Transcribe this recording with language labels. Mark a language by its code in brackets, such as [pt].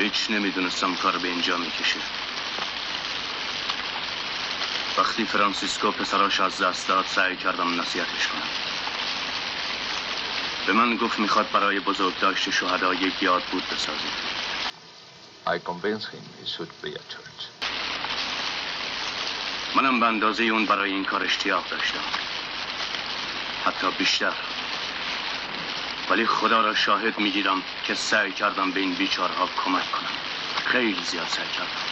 [fa] نمیدونستم کار به اینجا میکشه. وقتی فرانسیسکو پسراش از دست داد سعی کردم نصیحتش کنم. به من گفت میخواد برای بزرگداشت شهدا یک یاد بود بسازه. [en] I convinced him he should be a church. [fa] منم به اندازه اون برای این کار اشتیاق داشتم، حتی بیشتر. ولی خدا را شاهد میگیرم که سعی کردم به این بیچارها کمک کنم. خیلی زیاد سر کردم.